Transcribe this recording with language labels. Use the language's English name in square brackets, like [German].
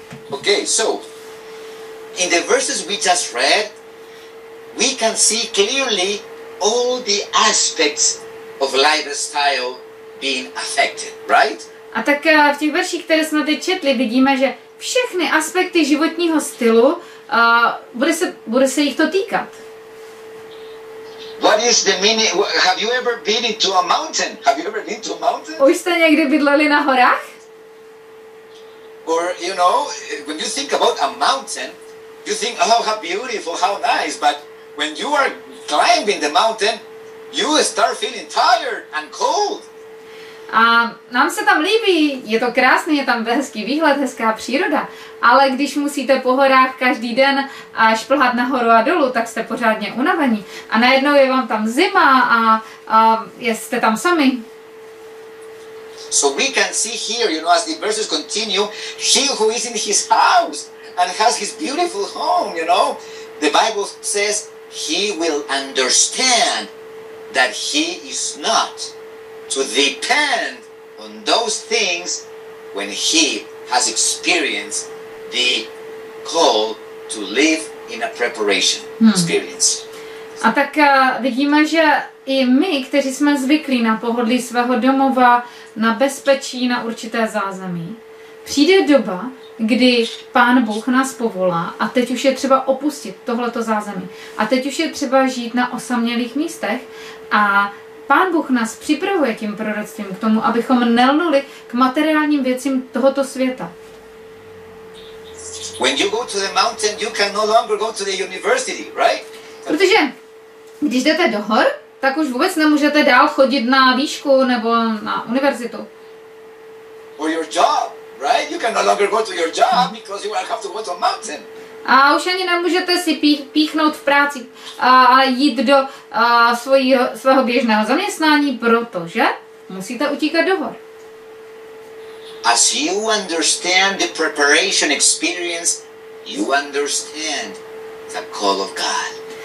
[English] Okay, so, in the verses we just read, we can see clearly all the aspects of lifestyle being affected, right? [Czech] A tak v těch verších, které jsme teď četli, vidíme, že všechny aspekty životního stylu bude se jich to týkat. [English] What is the meaning? Have you ever been into a mountain? Have you ever been to a mountain? [Czech] Už jste někdy bydleli na horách? [English] Or you know, when you think about a mountain, you think, oh, how beautiful, how nice, but when you are climbing the mountain, you start feeling tired and cold. [Czech] A nám se tam líbí, je to krásný, je tam hezký výhled, hezká příroda, ale když musíte po horách každý den šplhat nahoru a dolů, tak jste pořádně unavení a najednou je vám tam zima a jste tam sami. [English] So we can see here, you know, as the verses continue, he who is in his house and has his beautiful home, you know, the Bible says he will understand that he is not to depend on those things when he has experienced the call to live in a preparation experience. [Czech] A tak vidíme, že i my, kteří jsme zvyklí na pohodlí svého domova, na bezpečí, na určité zázemí. Přijde doba, kdy Pán Bůh nás povolá a teď už je třeba opustit tohleto zázemí. A teď už je třeba žít na osamělých místech a Pán Bůh nás připravuje tím proroctvím k tomu, abychom nelnuli k materiálním věcím tohoto světa. [English] When you go to the mountain, you can no longer go to the university, right? [Czech] Protože když jdete do hor, tak už vůbec nemůžete dál chodit na výšku nebo na univerzitu. [English] Or your job, right? You can no longer go to your job because you will have to go to the mountain. [Czech] A už ani nemůžete si píchnout v práci a jít do svého běžného zaměstnání, protože musíte utíkat do hor. [English] As you understand the preparation experience, you understand the call of God.